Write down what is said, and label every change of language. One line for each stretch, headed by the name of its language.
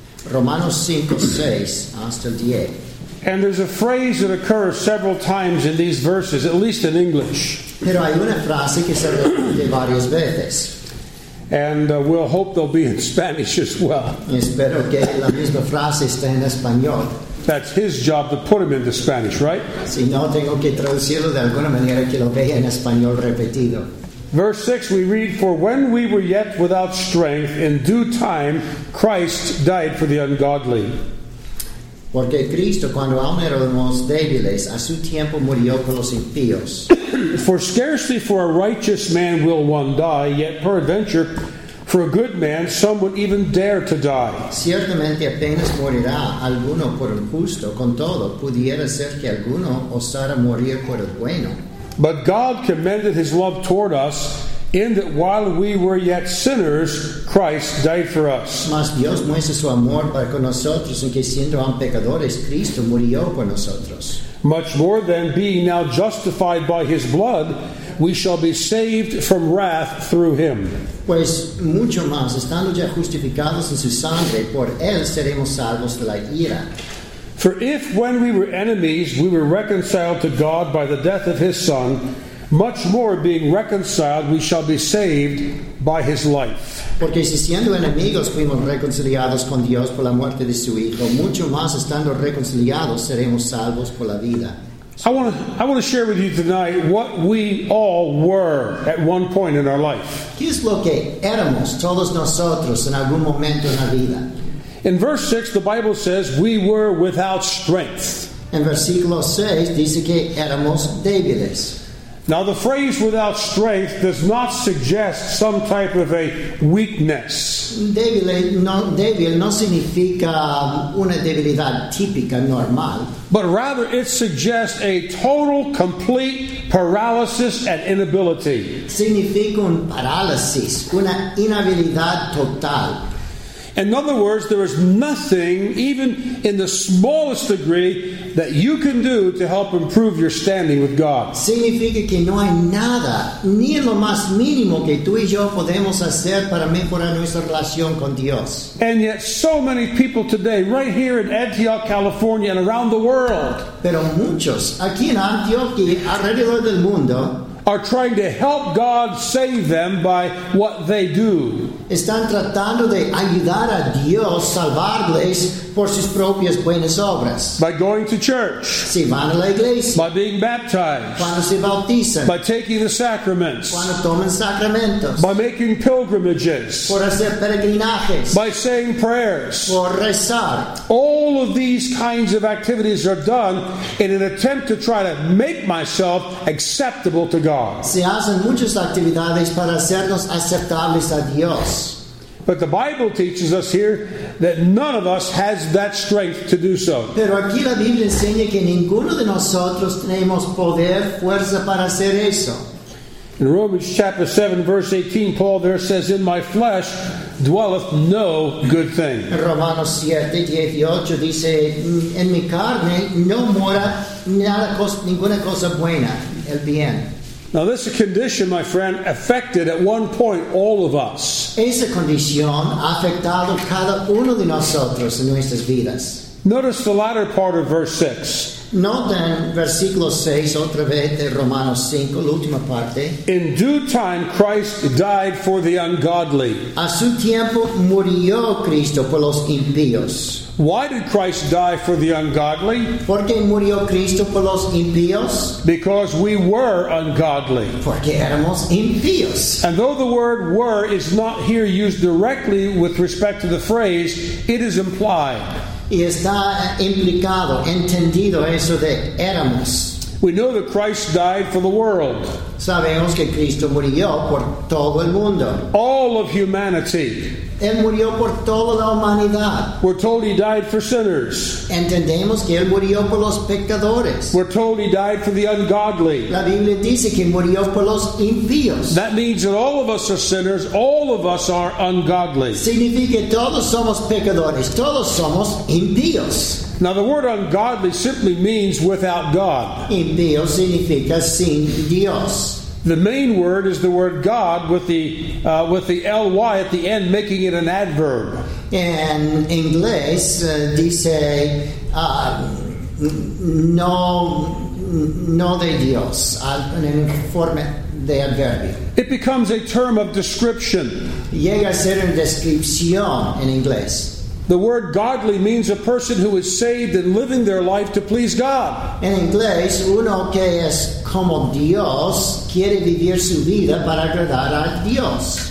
Spanish: Romanos 5, 6 hasta el 10.
English: And there's a phrase that occurs several times in these verses, at least in English.
Spanish: Pero hay una frase que se repite varias veces.
English: And we'll hope they'll be in Spanish as well.
Spanish: Espero que la misma frase esté en español.
English: That's his job to put him into Spanish, right?
Spanish: Si no, tengo que traducirlo de alguna manera que lo vea en español repetido.
English: Verse 6, we read, "For when we were yet without strength, in due time, Christ died for the ungodly."
Spanish: Porque Cristo, cuando aún éramos débiles, a su tiempo murió por los impíos.
English: For scarcely for a righteous man will one die, yet peradventure for a good man some would even dare to die.
Spanish: Ciertamente apenas morirá alguno por el justo, con todo, pudiera ser que alguno osara morir por el bueno.
English: But God commended his love toward us, in that while we were yet sinners, Christ died for us.
Spanish: Mas Dios muestra su amor para con nosotros, en que siendo aún pecadores, Cristo murió por nosotros.
English: Much more than being now justified by his blood, we shall be saved from wrath through him.
Spanish: Pues mucho más, estando ya justificados en su sangre, por él seremos salvos de la ira.
English: For if when we were enemies, we were reconciled to God by the death of his Son, much more being reconciled, we shall be saved by his life.
Spanish: Porque si siendo enemigos fuimos reconciliados con Dios por la muerte de su Hijo, mucho más estando reconciliados seremos salvos por la vida.
English: I want to share with you tonight what we all were at one point in our life.
Spanish: ¿Qué es lo que éramos todos nosotros en algún momento en la vida?
English: In verse 6, the Bible says we were without strength.
Spanish: En versículo 6 dice que éramos débiles.
English: Now the phrase "without strength" does not suggest some type of a weakness.
Spanish: Débil no significa una debilidad típica normal.
English: But rather, it suggests a total, complete paralysis and inability.
Spanish: Significa un parálisis, una inhabilidad total.
English: In other words, there is nothing, even in the smallest degree, that you can do to help improve your standing with God.
Spanish: Significa que no hay nada, ni en lo más mínimo, que tú y yo podemos hacer para mejorar nuestra relación con Dios.
English: And yet so many people today, right here in Antioch, California, and around the world,
Spanish: pero muchos aquí en Antioch y alrededor del mundo,
English: are trying to help God save them by what they do.
Spanish: Están tratando de ayudar a Dios salvarles por sus propias buenas obras.
English: By going to church.
Spanish: Si van a la iglesia.
English: By being baptized.
Spanish: Cuando se bautizan.
English: By taking the sacraments.
Spanish: Cuando toman sacramentos.
English: By making pilgrimages.
Spanish: Por hacer peregrinajes.
English: By saying prayers.
Spanish: Por rezar.
English: All of these kinds of activities are done in an attempt to try to make myself acceptable to God.
Spanish: Se hacen muchas actividades para hacernos aceptables a Dios.
English: But the Bible teaches us here that none of us has that strength to do so.
Spanish: Pero aquí la Biblia enseña que ninguno de nosotros tenemos poder, fuerza para hacer eso.
English: In Romans chapter 7, verse 18, Paul there says, "In my flesh dwelleth no good thing."
Spanish: En Romanos 7, 18 dice, "En mi carne no mora nada, ninguna cosa buena, el bien."
English: Now this condition, my friend, affected at one point all of us.
Spanish: Esa condición ha afectado cada uno de nosotros en nuestras vidas.
English: Notice the latter part of verse 6.
Spanish: Noten versículo 6 otra vez de Romanos 5, la última parte.
English: In due time Christ died for the ungodly.
Spanish: A su tiempo murió Cristo por los impíos.
English: Why did Christ die for the ungodly?
Spanish: ¿Por qué murió Cristo por los impíos?
English: Because we were ungodly.
Spanish: Porque éramos impíos.
English: And though the word "were" is not here used directly with respect to the phrase, it is implied.
Spanish: Y está implicado, entendido eso de éramos.
English: We know that Christ died for the world.
Spanish: Sabemos que Cristo murió por todo el mundo.
English: All of humanity.
Spanish: Él murió por toda la humanidad.
English: We're told he died for sinners.
Spanish: Entendemos que él murió por los pecadores.
English: We're told he died for the ungodly.
Spanish: La Biblia dice que murió por los impíos.
English: That means that all of us are sinners. All of us are ungodly.
Spanish: Significa que todos somos pecadores. Todos somos impíos.
English: Now the word "ungodly" simply means without God.
Spanish: Impío significa sin Dios.
English: The main word is the word "God" with the ly at the end, making it an adverb. In English,
Spanish: dice no de Dios, en el informe de adverbio.
English: It becomes a term of description.
Spanish: Llega a ser una descripción en inglés.
English: The word "godly" means a person who is saved and living their life to please God.
Spanish: En inglés, uno que es como Dios quiere vivir su vida para agradar a Dios.